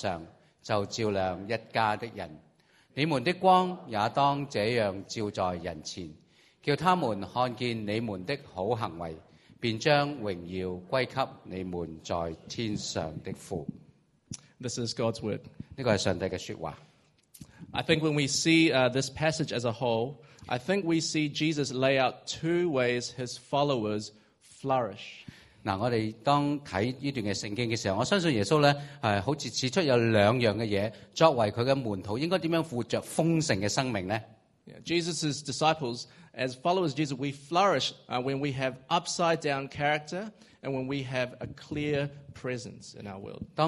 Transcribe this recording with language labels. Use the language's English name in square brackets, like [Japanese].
[Chinese] 在你们以前的先知人也是这样逼迫他们。你们是世上的盐，盐若失了味，怎能叫它再咸呢？以后无用，不过丢在外边，被人践踏了。你们是世上的光，成就在山上是不能隐藏的。人点灯不放在斗底下，是放在灯台上，就照亮一家的人。你们的光也当这样照在人前，叫他们看见你们的好行为，便将荣耀归给你们在天上的父。 [English] This is God's word. [Chinese] 这个是上帝的说话。 [English] I think when we see this passage as a whole, I think we see Jesus lay out two ways his followers flourish. [Chinese] 我们当看这段圣经的时候，我相信耶稣好像指出有两样的东西，作为他的门徒，应该怎样活着丰盛的生命呢？ [English] Jesus' disciples, as followers of Jesus, we flourish when we have upside-down character and when we have a clear presence in our world.